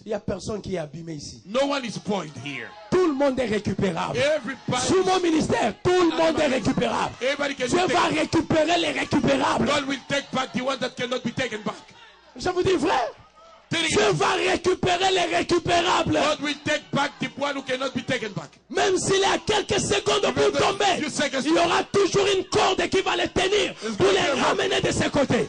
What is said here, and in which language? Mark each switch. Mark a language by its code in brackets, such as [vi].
[fr] Il n'y a personne qui est abîmé ici. [en] No one is spoiled here. [fr] Tout le monde est récupérable. [en] Everybody [fr] sous mon ministère, tout le monde est récupérable. [en] Everybody can [fr] Dieu va récupérer les récupérables. [en] God will take back the one that cannot be taken back. [fr] Je vous dis vrai. Dieu va récupérer les récupérables. [en] God will take back the one who cannot be taken back. [fr] Même s'il est à quelques secondes pour tomber, il y aura toujours une corde qui va les tenir pour les ramener de ce côté.